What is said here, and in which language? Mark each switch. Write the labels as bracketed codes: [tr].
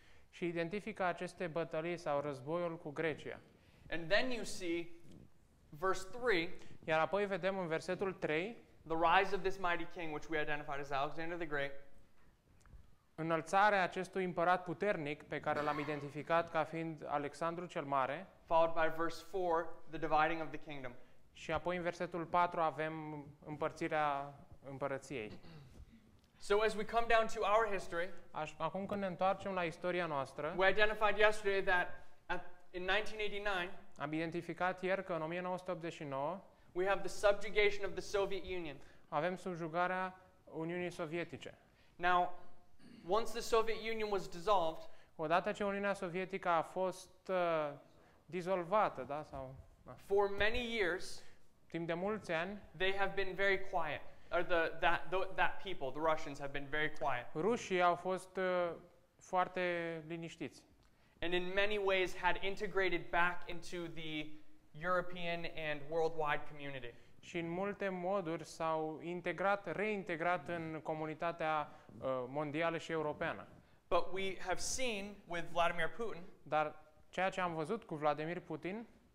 [ro] Și identifică aceste bătălii sau războiul cu Grecia. [en] And then you see verse 3. [ro] Iar apoi vedem în versetul 3 [en] the rise of this mighty king which we identified as Alexander the Great. [ro] Înălțarea acestui împărat puternic pe care l-am identificat ca fiind Alexandru cel Mare. [en] Followed by verse 4, the dividing of the kingdom. [ro] Și apoi în versetul 4 avem împărțirea împărăției. [en] So as we come down to our history, [ro] acum când ne întoarcem la istoria noastră, [en] we identified yesterday that in 1989, [ro] am identificat ieri că în 1989, [en] we have the subjugation of the Soviet Union. [ro] Avem subjugarea Uniunii Sovietice. [en] Now, once the Soviet Union was dissolved, [ro] odată ce Uniunea Sovietică a fost dizolvată, da, sau [en] for many years, [ro] timp de mulți ani, [en] they have been very quiet. Or that people, the Russians, have been very quiet. [ro] Rușii au fost foarte liniștiți. [en] And in many ways had integrated back into the European and worldwide community. [ro] Și în multe moduri s-au reintegrat în comunitatea mondială și europeană. [en] But we have seen with Vladimir Putin. [ro] Dar ceea ce am văzut cu Vladimir Putin,